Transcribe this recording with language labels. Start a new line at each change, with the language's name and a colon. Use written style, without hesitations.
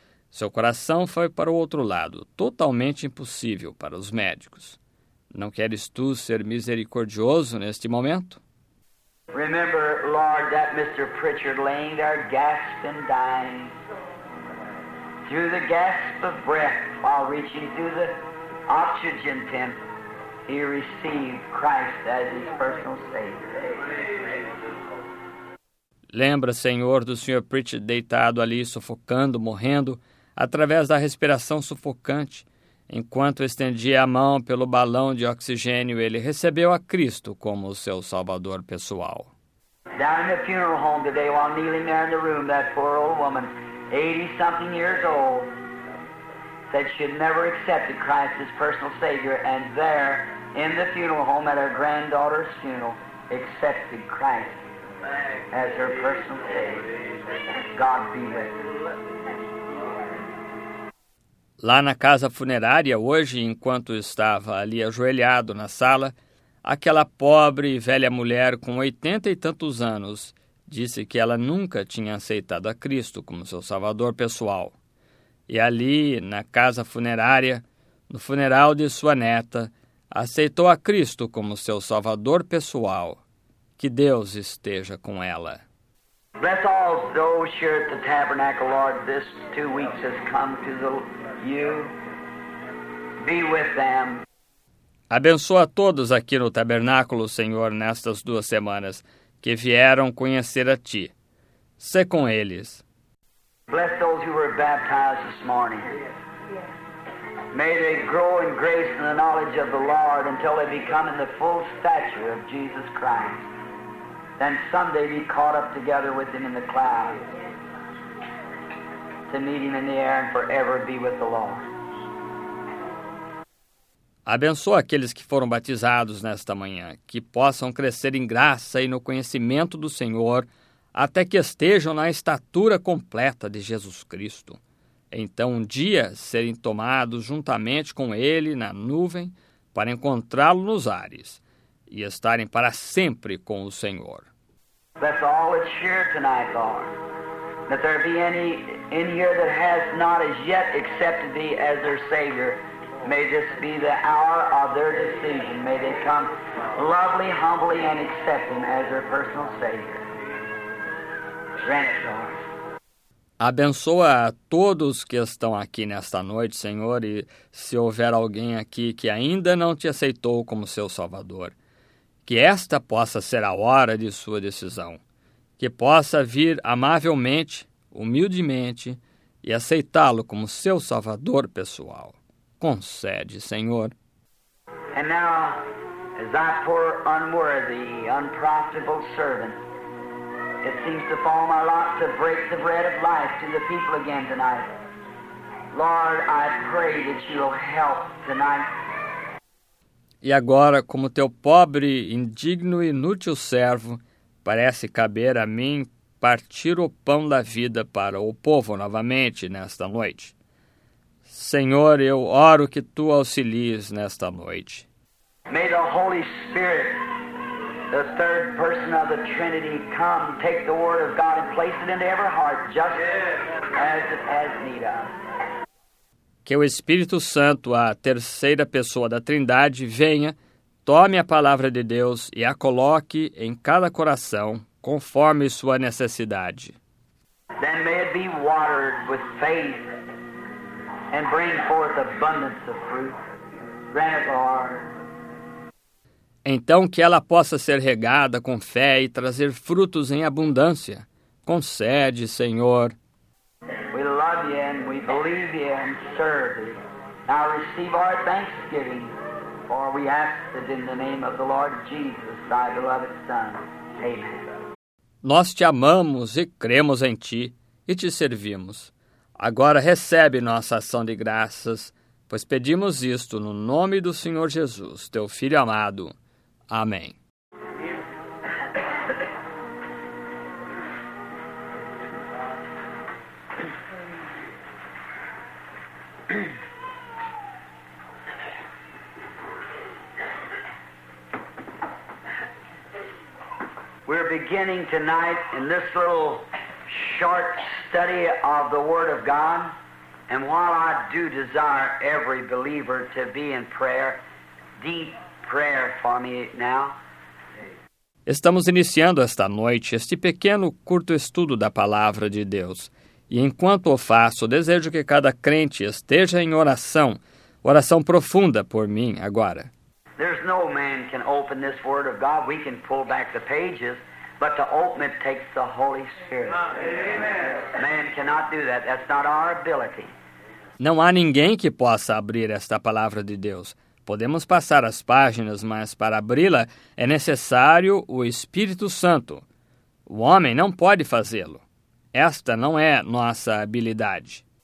Portuguese: Seu coração foi para o outro lado, totalmente impossível para os médicos. Não queres tu ser misericordioso neste momento?
English: Remember, Lord, that Mr. Pritchard laying there gasping, dying. Through the gasp of breath while reaching through the oxygen tent, he received Christ as his personal Savior.
Portuguese: Lembra, Senhor, do Sr. Pritchard deitado ali, sufocando, morrendo, através da respiração sufocante. Enquanto estendia a mão pelo balão de oxigênio, ele recebeu a Cristo como o seu Salvador pessoal.
English: Down in the funeral home today, while kneeling there in the room, that poor old woman, 80-something years old, said she had never accepted Christ as personal Savior, and there, in the funeral home at her granddaughter's funeral, accepted Christ as her personal Savior. God be with her.
Portuguese: Lá na casa funerária, hoje, enquanto estava ali ajoelhado na sala, aquela pobre e velha mulher com 80 e tantos anos disse que ela nunca tinha aceitado a Cristo como seu Salvador pessoal. E ali, na casa funerária, no funeral de sua neta, aceitou a Cristo como seu Salvador pessoal. Que Deus esteja com ela.
English: Bless all those here at the tabernacle, Lord, this 2 weeks has come to the you. Be with them.
Portuguese: Abençoa a todos aqui no tabernáculo, Senhor, nestas 2 semanas que vieram conhecer a Ti. Sê com eles.
English: Bless those who were baptized this morning. May they grow in grace and the knowledge of the Lord until they become in the full stature of Jesus Christ. Then someday be caught up together with Him in the clouds to meet Him in the air and forever be with the Lord.
Portuguese: Abençoa aqueles que foram batizados nesta manhã, que possam crescer em graça e no conhecimento do Senhor, até que estejam na estatura completa de Jesus Cristo. Então, um dia, serem tomados juntamente com Ele na nuvem para encontrá-lo nos ares e estarem para sempre com o Senhor.
English: That's all it's here tonight, Lord. that there be any in here that has not as yet accepted thee as their Savior. May this be the hour of their decision. May they come lovely, humbly, and accept him as their personal Savior. Grant it, Lord.
Portuguese: Abençoa a todos que estão aqui nesta noite, Senhor, e se houver alguém aqui que ainda não te aceitou como seu Salvador, que esta possa ser a hora de sua decisão, que possa vir amavelmente, humildemente e aceitá-lo como seu Salvador pessoal. Concede, Senhor.
English: And now, as I poor, unworthy, unprofitable servant, it seems to fall my lot to break the bread of life to the people again tonight. Lord, I pray that you'll help tonight.
Portuguese: E agora, como teu pobre, indigno e inútil servo, parece caber a mim partir o pão da vida para o povo novamente nesta noite. Senhor, eu oro que tu auxilies nesta noite.
English: May the Holy Spirit, the third person of the Trinity, come take the word of God and place it into every heart just as it has need of.
Portuguese: Que o Espírito Santo, a terceira pessoa da Trindade, venha, tome a palavra de Deus e a coloque em cada coração, conforme sua necessidade.
English: Then may it be watered with faith and bring forth abundance of fruit. Grant it, Lord.
Portuguese: Então que ela possa ser regada com fé e trazer frutos em abundância. Concede, Senhor.
English: We love you and we believe you and serve you. Now receive our thanksgiving, for we ask it in the name of the Lord Jesus, thy beloved Son. Amen.
Portuguese: Nós te amamos e cremos em ti e te servimos. Agora recebe nossa ação de graças, pois pedimos isto no nome do Senhor Jesus, teu Filho amado. Amém.
English: We're beginning tonight in this little short study of the Word of God, and while I do desire every believer to be in prayer, deep prayer for me now.
Portuguese: Estamos iniciando esta noite este pequeno curto estudo da Palavra de Deus. E enquanto o faço, desejo que cada crente esteja em oração, oração profunda por mim agora.
English: There's no man can open this word of God. We can pull back the pages, but to open it takes the Holy Spirit. Amen. Man cannot do that. That's not our ability.
Portuguese: Não há ninguém que possa abrir esta palavra de Deus. Podemos passar as páginas, mas para abri-la é necessário o Espírito Santo. O homem não pode fazê-lo. Esta não é nossa habilidade.